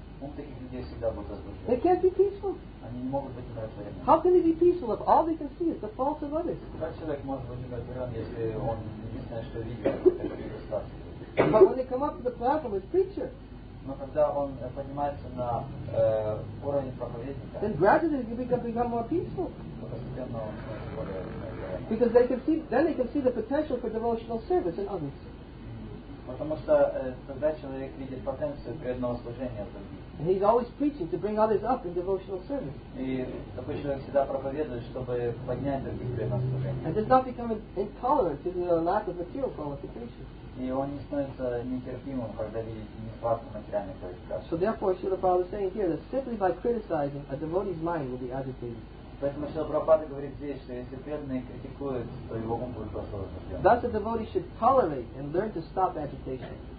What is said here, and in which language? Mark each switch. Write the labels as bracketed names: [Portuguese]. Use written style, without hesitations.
[Russian] Ум таких людей всегда будет возбужден. [English] They can't be peaceful. [Russian] Они не могут быть умиротворены. [English] How can they be peaceful if all they can see is the faults of others? [Russian] Как человек может быть умиротворен, если он единственное, что видит, это недостатки? [English] But when they come up to the platform as preacher. [Russian] Но когда он поднимается на уровень проповедника, [English] then gradually they become more peaceful. [Russian] Постепенно он становится более умиротворенным. [English] Because they can see the potential for devotional service in others. [Russian] Потому что тогда человек видит потенцию преданного служения в других. [English] And he's always preaching to bring others up in devotional service. [Russian] И такой человек всегда проповедует, чтобы поднять других преданного служения. [English] And does not become intolerant to the lack of material qualification. [Russian] И он не становится нетерпимым, когда видит нехватку материальной квалификации. [English] So therefore, Srila Prabhupada is saying here that simply by criticizing, a devotee's mind will be agitated. [Russian] Поэтому Шрила Прабхупада говорит здесь, что если преданный критикует, то его ум будет просто возбужден. [English] Thus a devotee should tolerate and learn to stop agitation.